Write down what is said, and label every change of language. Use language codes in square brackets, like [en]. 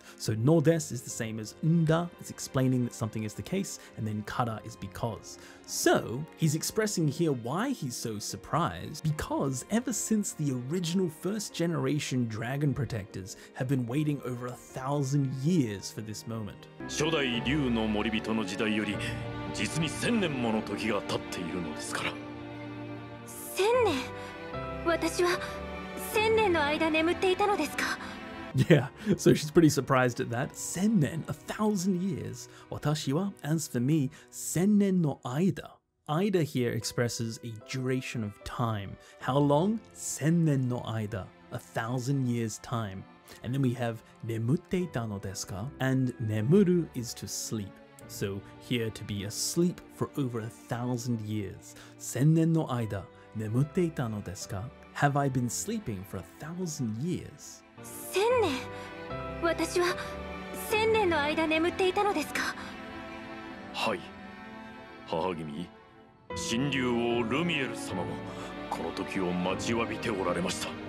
[en] So no desu is the same as nda, it's explaining that something is the case, and then kara is because. So he's expressing here why he's so surprised, because ever since the original first generation dragon protectors have been waiting over a thousand years for this moment. [ja] 初代竜の森人の時代より実に千年もの時が経っているのですから。千年? 私は千年の間眠っていたのですか? [en] Yeah, so she's pretty surprised at that. Sennen, a thousand years. [ja] Watashi wa, [en] as for me, [ja] sennen no aida. [en] Aida here expresses a duration of time. How long? [ja] Sennen no aida, [en] a thousand years time. And then we have [ja] nemuteita no desu ka, [en] and nemuru is to sleep. So here to be asleep for over a thousand years. [ja] Sennen no aida, nemuteita no desu ka? [en] Have I been sleeping for a thousand years? [ja] 千年、私は千年の間眠っていたのですか。はい、母君、神竜王ルミエル様もこの時を待ちわびておられました。